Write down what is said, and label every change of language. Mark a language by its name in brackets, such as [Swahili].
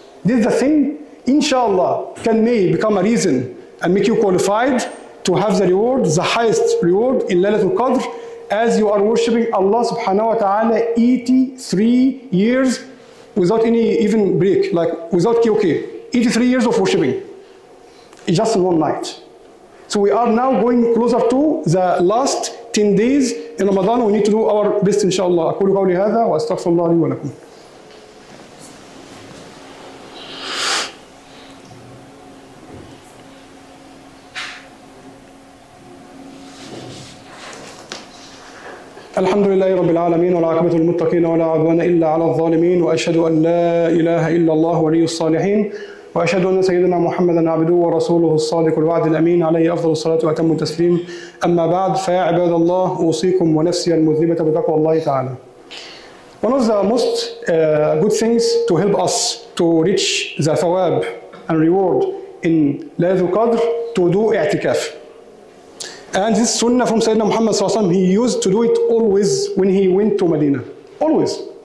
[English] This is the thing, inshallah, may become a reason and make you qualified to have the reward, the highest reward in Laylatul Qadr, as you are worshipping Allah subhanahu wa ta'ala 83 years without any even break, like without QK. 83 years of worshipping, just in one night. So we are now going closer to the last 10 days in Ramadan. We need to do our best, inshallah. [Arabic] أقول قولي هذا وأستغفر الله لي ولكم. الحمد لله رب العالمين والعاقبة للمتقين ولا عدوان إلا على الظالمين وأشهد أن لا إله إلا الله ولي الصالحين وأشهد أن سيدنا محمدًا عبده ورسوله الصادق الوعد الأمين عليه أفضل الصلاة وأتم التسليم. أما بعد فيا عباد الله أوصيكم ونفسي المذنبة بتقوى الله تعالى. [English] One of the most good things to help us to reach the thawab and reward in Laylatul Qadr to do اعتكاف. And this sunnah from Sayyidina Muhammad sallallahu alayhi wa sallam, he used to do it always when he went to Medina. Always.